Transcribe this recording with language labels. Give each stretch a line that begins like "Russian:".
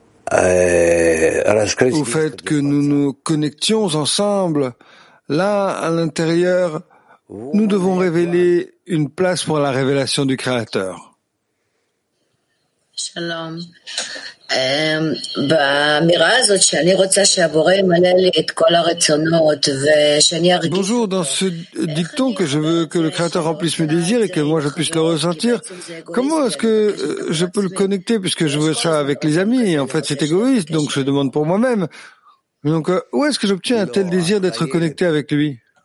French: Au fait que nous nous connections ensemble, là, à l'intérieur, nous devons révéler une place pour la révélation du Créateur.
Hebrew: Shalom. באמירה הזאת שאני רוצה שהבורא ימלא לי את כל הרצונות ושאני ארגיש
French: Bonjour dans ce dicton que je veux que le créateur remplisse mes désirs et que moi je puisse le ressentir. Comment est-ce que je peux le connecter puisque je veux ça avec les amis? En fait, c'est égoïste, donc je demande pour moi-même. Donc où est-ce que j'obtiens un tel désir d'être connecté avec lui?